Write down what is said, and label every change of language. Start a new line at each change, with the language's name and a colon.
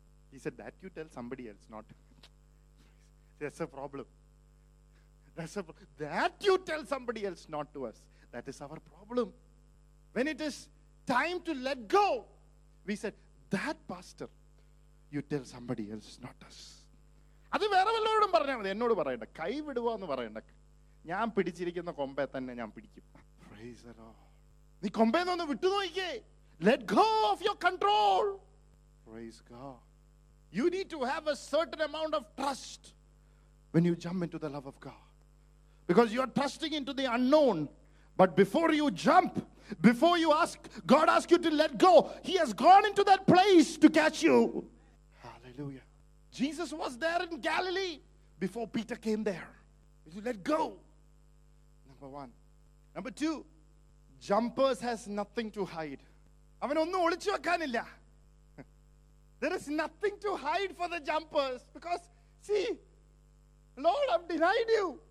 English: He said, that you tell somebody else, not. That's a problem. That you tell somebody else, not to us. That is our problem. When it is time to let go, we said, that pastor, you tell somebody else, not us.
Malayalam: അത് വേറെ വല്ലവരോടും പറഞ്ഞാൽ മതി, എന്നോട് പറയണ്ട, കൈ വിടുവാന്ന് പറയണ്ട, ഞാൻ പിടിച്ചിരിക്കുന്ന കൊമ്പെ തന്നെ ഞാൻ പിടിക്കും.
English: Praise the Lord.
Malayalam: നീ കൊമ്പെ ഒന്ന് വിട്ടു നോക്കിയേ.
English: Let go of your control. Praise God. You need to have A certain amount of trust when you jump in to the love of God, because you are trusting in to the unknown. But before you jump, before you ask God, ask you to let go, he has gone in to that place to catch U. Hallelujah. Jesus was there in Galilee before Peter came there. You let go. Number one. Number two, jumpers has nothing to hide.
Malayalam: Avan onnu olichu vekkanilla.
English: There is nothing to hide for the jumpers, because see, Lord, I've denied you.